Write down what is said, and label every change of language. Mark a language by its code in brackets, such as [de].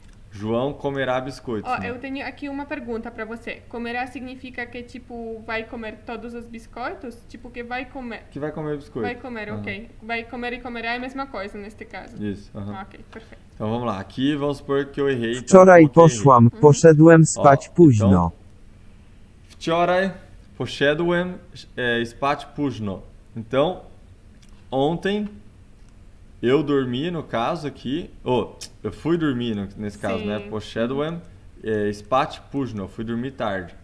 [pt] João comerá biscoito. Ó, eu tenho aqui uma pergunta pra você. Comerá significa que, tipo, vai comer todos os biscoitos? Tipo, que vai comer... Que vai comer biscoito. Vai comer, uhum. ok. Vai comer e comerá é a mesma coisa, neste caso. Isso, aham. Uhum. Ok, perfeito. Então vamos lá, aqui vamos supor que eu errei. [pl] Wczoraj poszłam, poszedłem spać późno. Wczoraj poszedłem spać późno. [pt] Então, ontem eu dormi, no caso aqui, eu fui dormir nesse caso, Sim. né? [pl] Poszedłem spać późno, [pt] fui dormir tarde.